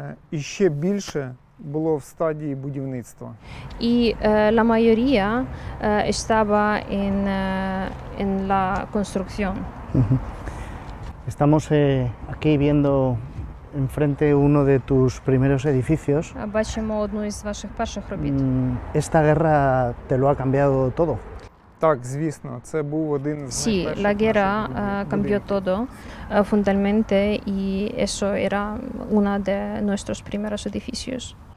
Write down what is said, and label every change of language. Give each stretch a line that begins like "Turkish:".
Ukrainian: І ще більше було в стадії будівництва.
Spanish: И la mayoría estaba en en la construcción. Estamos aquí viendo enfrente uno de tus primeros edificios.
Ukrainian: Бачимо одну із ваших перших робіт.
Spanish: Esta guerra te lo ha cambiado todo.
Ukrainian: Так, звісно, це був один з
Spanish: Sí, la guerra cambió todo fundamentalmente y eso era una de nuestros primeros edificios.